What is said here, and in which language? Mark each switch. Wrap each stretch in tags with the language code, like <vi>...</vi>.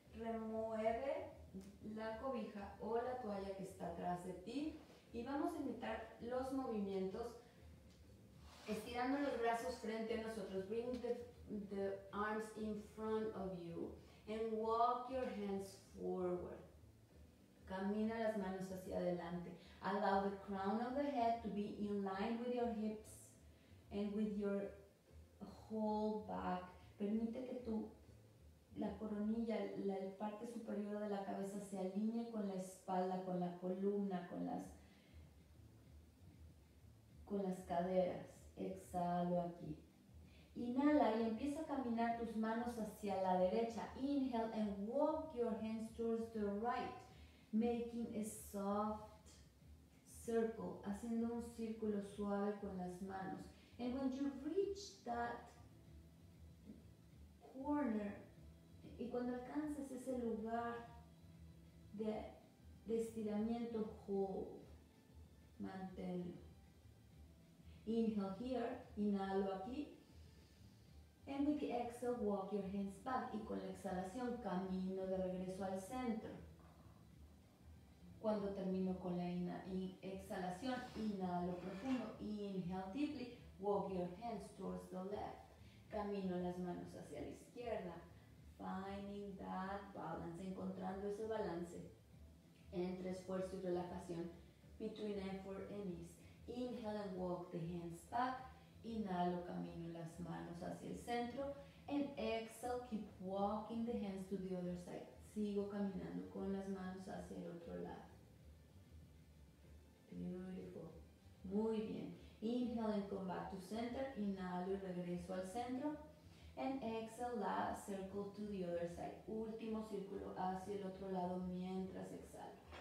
<es>Remueve la cobija o la toalla que está atrás de ti. Y vamos a invitar los movimientos estirando los brazos frente a nosotros.</es> <en>Bring the arms in front of you and walk your hands forward.</en> <es>Camina las manos hacia adelante.</es> <en>Allow the crown of the head to be in line with your hips and with your whole back.</en> <es>Permite que tu, la coronilla, la parte superior de la cabeza se alinee con la espalda, con la columna, con las caderas. Exhalo aquí. Inhala y empieza a caminar tus manos hacia la derecha.</es> <en>Inhale and walk your hands towards the right, making a soft circle,</en> <es>haciendo un círculo suave con las manos.</es> <en>And when you reach that corner,</en> <es>y cuando alcanzas ese lugar de estiramiento, hold, manténlo.</es> <en>Inhale here,</en> <es>inhalo aquí.</es> <en>And with the exhale, walk your hands back.</en> <es>Y con la exhalación, camino de regreso al centro. Cuando termino con la exhalación, inhalo profundo.</es> <en>Inhale deeply, walk your hands towards the left.</en> <es>Camino las manos hacia la izquierda.</es> <en>Finding that balance,</en> <es>encontrando ese balance entre esfuerzo y relajación.</es> <en>Between effort and ease. Inhale and walk the hands back.</en> <es>Inhalo, camino las manos hacia el centro.</es> <en>And exhale, keep walking the hands to the other side.</en> <es>Sigo caminando con las manos hacia el otro lado.</es> <en>Beautiful.</en> <es>Muy bien.</es> <en>Inhale and come back to center.</en> <es>Inhalo y regreso al centro.</es> <en>And exhale, last circle to the other side.</en> <es>Último círculo hacia el otro lado mientras exhalo.</es>